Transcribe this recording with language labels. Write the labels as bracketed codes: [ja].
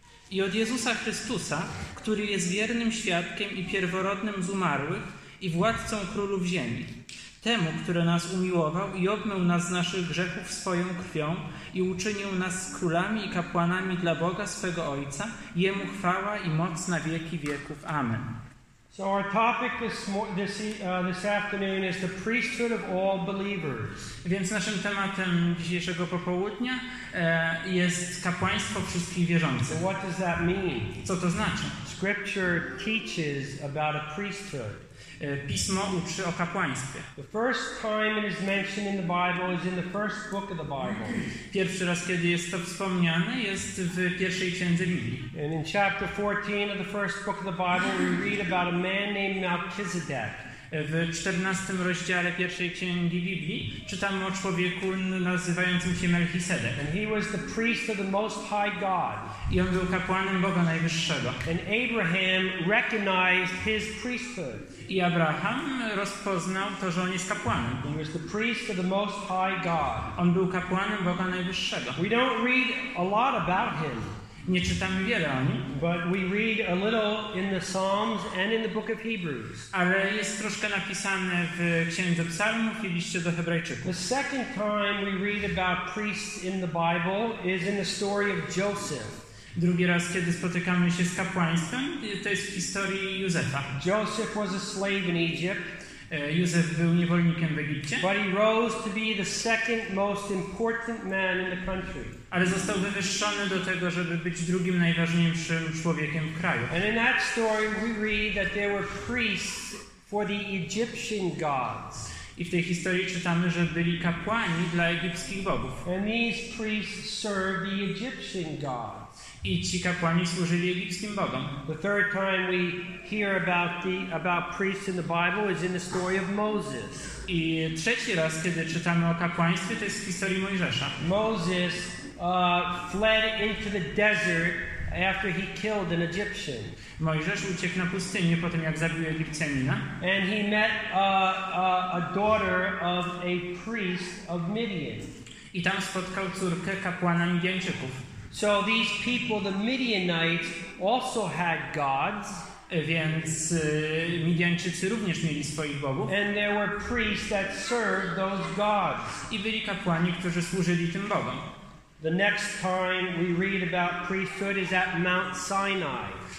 [pl] I od Jezusa Chrystusa, który jest wiernym świadkiem i pierworodnym z umarłych i władcą królów ziemi, temu, który nas umiłował i obmył nas z naszych grzechów swoją krwią i uczynił nas królami i kapłanami dla Boga swego Ojca, jemu chwała i moc na wieki wieków. Amen. [en] So our topic this afternoon is the priesthood of all believers. [pl] Więc naszym tematem dzisiejszego popołudnia jest kapłaństwo wszystkich wierzących. [en] So what does that mean? [pl] Co to znaczy? [en] Scripture teaches about a priesthood. [pl] Pismo uczy o kapłaństwie. [en] The first time it is mentioned in the Bible is in the first book of the Bible. [pl] Pierwszy raz, kiedy jest to wspomniane, jest w pierwszej księdze Biblii. [en] And in chapter 14 of the first book of the Bible, we read about a man named Melchizedek. [pl] W 14 rozdziale pierwszej księgi Biblii czytamy o człowieku nazywającym się Melchisedek. [en] And he was the priest of the Most High God. [pl] I on był kapłanem Boga Najwyższego. [en] And Abraham recognized his priesthood. [pl] I Abraham rozpoznał to, że on jest kapłanem. [en] He was the priest of the Most High God. [pl] On był kapłanem Boga Najwyższego. [en] We don't read a lot about him. [pl] Nie czytamy wiele o nim. [en] But we read a little in the Psalms and in the book of Hebrews. [pl] Ale jest troszkę napisane w Księdze Psalmów i liście do Hebrajczyków. [en] The second time we read about priests in the Bible is in the story of Joseph. [pl] Drugi raz, kiedy spotykamy się z kapłaństwem, to jest w historii Józefa. [en] Joseph was a slave in Egypt. [pl] Józef był niewolnikiem w Egipcie. [en] But he rose to be the second most important man in the country. [pl] Ale został wywyższony do tego, żeby być drugim najważniejszym człowiekiem w kraju. [en] And in that story we read that there were priests for the Egyptian gods. [pl] I w tej historii czytamy, że byli kapłani dla egipskich bogów. [en] And these priests served the Egyptian gods. [pl] I ci kapłani służyli egipskim bogom. [en] The third time we hear about priests in the Bible is in the story of Moses. [pl] I trzeci raz, kiedy czytamy o kapłaństwie, to jest w historii Mojżesza. [en] Moses fled into the desert after he killed an Egyptian. [pl] Mojżesz uciekł na pustynię po tym, jak zabił Egipcjanina. [en] And he met a daughter of a priest of Midian. [pl] I tam spotkał córkę kapłana Midianczyków. [en] So these people, the Midianites, also had gods. [pl] Więc Midianczycy również mieli swoich bogów. [en] And there were priests that served those gods. [pl] I byli kapłani, którzy służyli tym bogom. [en] The next time we read about priesthood is at Mount Sinai.